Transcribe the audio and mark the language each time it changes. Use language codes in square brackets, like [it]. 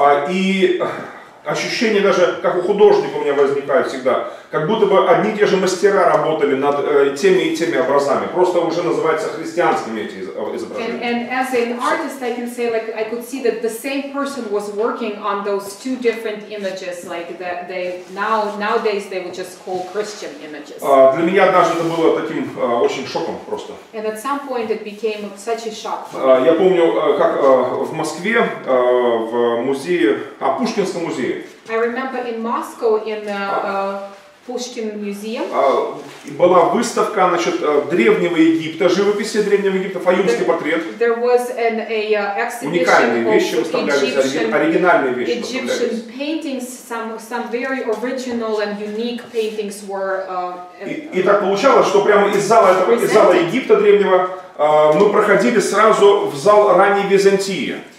[ru] И ощущение даже, как у художника у меня возникает всегда, как будто бы одни и те же мастера работали над теми и теми образами. Просто уже называются христианскими эти изображения. [en] And as an artist, I can say, like, I could see that the same person was working on those two different images, like that they now nowadays they would just call Christian images. [ru] Для меня однажды это было таким очень шоком просто. [en] And at some point it became such a shock. [ru] Я помню, как в Москве в музее, Пушкинском музее. [en] I remember in Moscow in the Пушкин музей. [ru] Была выставка, значит, древнего Египта, живописи древнего Египта, Фаюмский портрет. [en] There was an exhibition. [ru] Уникальные вещи выставлялись, оригинальные вещи. [en] Egyptian paintings, some very original and unique paintings were. [ru] И так получалось, что прямо из зала этого, из зала Египта древнего, мы проходили сразу в зал ранней Византии.